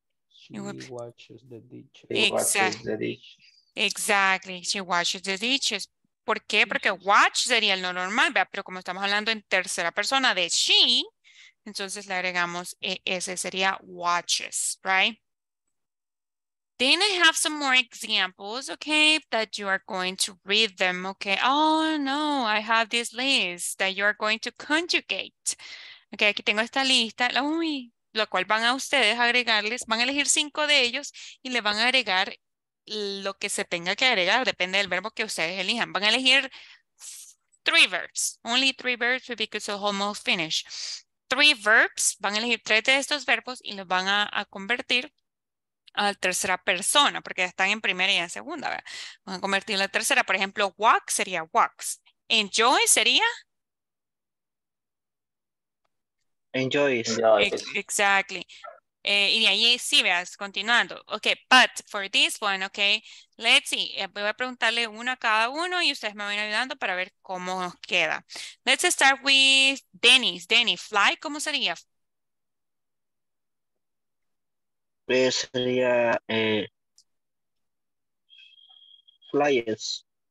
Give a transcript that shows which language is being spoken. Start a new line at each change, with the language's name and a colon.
English: She washes the dishes. Exactly, she washes the dishes.
Spanish: ¿Por qué? Porque watch sería lo normal, ¿verdad? Pero como estamos hablando en tercera persona de she, entonces le agregamos ese sería watches, right?
English: Then I have some more examples, okay, that you are going to read them, okay? Oh, no, I have this list that you are going to conjugate.
Spanish: Okay, aquí tengo esta lista, uy, lo cual van a ustedes agregarles, van a elegir 5 de ellos y le van a agregar lo que se tenga que agregar, depende del verbo que ustedes elijan. Van a elegir
English: 3 verbs. Only 3 verbs because it's almost finished. 3 verbs.
Spanish: Van a elegir 3 de estos verbos y los van a convertir a tercera persona porque están en primera y en segunda. ¿Verdad? Van a convertir en la tercera. Por ejemplo, walk sería walks. Enjoy sería...
English: Enjoys.
Spanish: Exactly. Y de ahí sí, veas, continuando.
English: Ok, but for this one, ok, let's see.
Spanish: Voy a preguntarle uno a cada uno y ustedes me van ayudando para ver cómo nos queda.
English: Let's start with Dennis. Dennis, fly,
Spanish: ¿cómo sería? Sería flyers.